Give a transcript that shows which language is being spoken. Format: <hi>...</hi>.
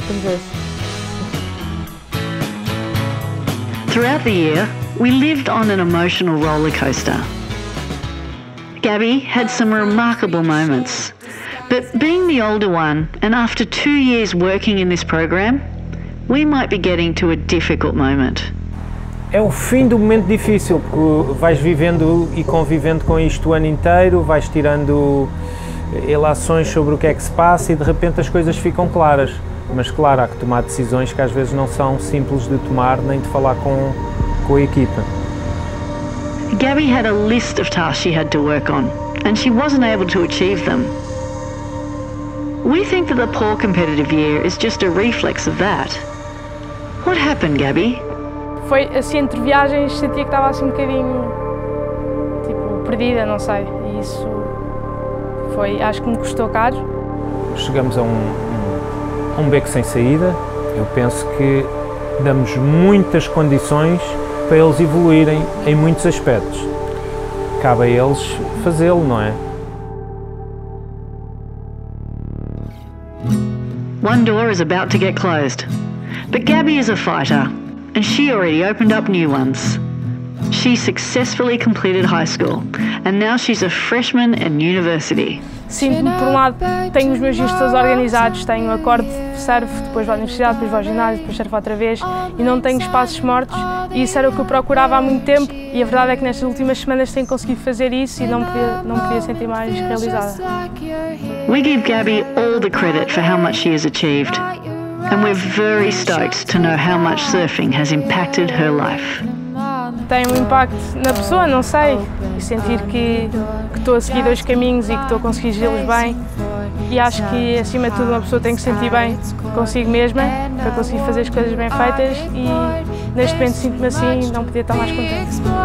<es>Entonces...</es> <en>Throughout the year, we lived on an emotional roller coaster. Gabby had some remarkable moments, but being the older one, and after 2 years working in this program, we might be getting to a difficult moment.</en> <pt>É o fim do momento difícil, porque vais vivendo e convivendo com isto o ano inteiro, vais tirando relações sobre o que é que se passa e de repente as coisas ficam claras. Mas claro, há que tomar decisões que às vezes não são simples de tomar nem de falar com a equipa.</pt> <en>Gabby had a list of tasks she had to work on, and she wasn't able to achieve them. We think that the poor competitive year is just a reflex of that. What happened, Gabby?</en> <pt>Foi assim, entre viagens, sentia que estava assim um bocadinho, tipo, perdida, não sei. E isso foi, acho que me custou caro. Chegamos a um beco sem saída. Eu penso que damos muitas condições para eles evoluírem em muitos aspectos. Cabe a eles fazê-lo, não é?</pt> <en>One door is about to get closed, but Gabby is a fighter. And she already opened up new ones. She successfully completed high school, and now she's a freshman in university.</en> <pt>Sim, por um lado, tenho os meus dias todos organizados, tenho o acorde, surf, depois vou à universidade, depois vou ao ginásio, depois surf outra vez, e não tenho espaços mortos, e isso era o que eu procurava há muito tempo, e a verdade é que nestas últimas semanas tenho conseguido fazer isso e não podia sentir mais realizada.</pt> <en>We give Gabby all the credit for how much she has achieved. And we're very stoked to know how much surfing has impacted her life.</en> <pt>Tem impacto na pessoa, não sei. E sentir que estou a seguir dois caminhos e que estou a conseguir gê-los bem. E acho que, acima de tudo, uma pessoa tem que sentir bem consigo mesma para conseguir fazer as coisas bem feitas. E neste momento sinto-me assim e não podia estar mais contente.</pt>